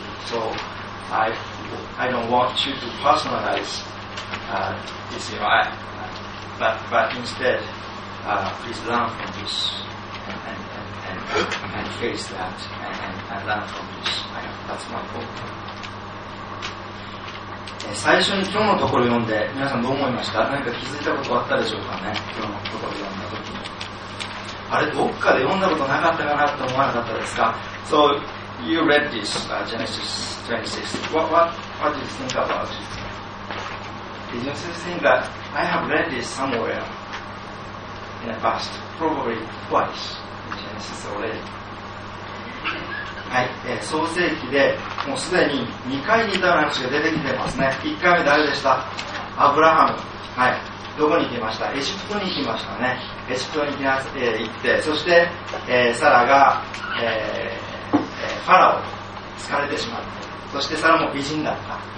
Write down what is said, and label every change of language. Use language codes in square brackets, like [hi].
[en] So I don't want you to personalize this, you know, but instead, please learn from this and face that and learn from this. That's my point. [ja] 最初に今日のところ読んで皆さんどう思いました？何か気づいたことあったでしょうかね。今日のところ読んだ時にあれどっかで読んだことなかったかなと思わなかったですか？ [en] So you read this Genesis 26. What do you think about it? Did you think that I have read this somewhere in the past? Probably twice in Genesis already. [ja] はい、創世記でもうすでに2回似たような話が出てきてますね。1回目誰でした？アブラハム、はい、どこに行きました？エジプトに行きましたね。エジプトに行って、そして、サラが、ファラオを疲れてしまって、そしてサラも美人だった。